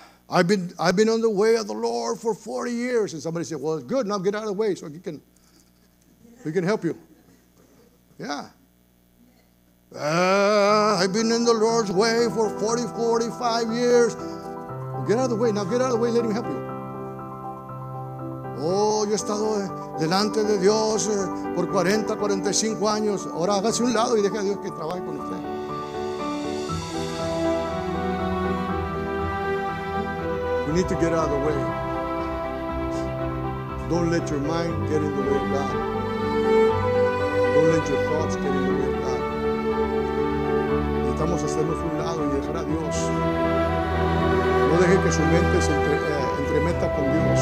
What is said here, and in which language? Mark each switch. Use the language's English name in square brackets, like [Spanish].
[English] I've been on the way of the Lord for 40 years. And somebody said, well, good, now get out of the way so we can help you. Yeah. I've been in the Lord's way for 40, 45 years. Well, get out of the way. Now get out of the way. Let Him help you. [Spanish] Oh, yo he estado delante de Dios por 40, 45 años. Ahora hágase un lado y deje a Dios que trabaje con usted. [English] You need need to get out of the way. Don't let your mind get in the way of God. Don't let your thoughts get in the way of God. [Spanish] Necesitamos hacernos un lado y dejar a Dios. No deje que su mente se entremeta con Dios.